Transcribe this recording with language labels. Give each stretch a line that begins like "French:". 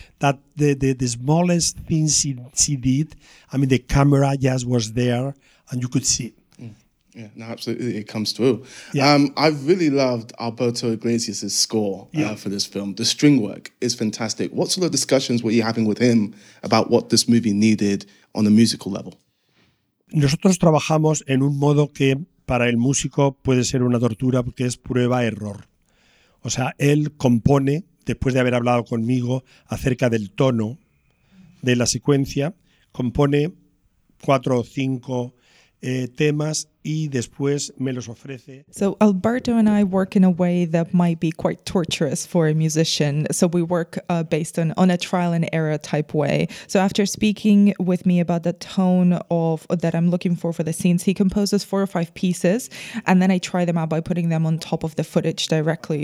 English: That the smallest thing she did, I mean, the camera just was there and you could see. Yeah, no, absolutely, it comes through. Yeah. I really loved Alberto Iglesias' score for this film. The string work is fantastic. What sort of discussions were you having with him about what this movie needed on a musical level?
Spanish: Nosotros trabajamos en un modo que para el músico puede ser una tortura, porque es prueba-error. O sea, él compone, después de haber hablado conmigo acerca del tono de la secuencia, compone 4 or 5 temas, y después me los ofrece.
English: So Alberto and I work in a way that might be quite torturous for a musician. So we work based on a trial and error type way. So after speaking with me about the tone of that I'm looking for the scenes, he composes 4 or 5 pieces, and then I try them out by putting them on top of the footage directly.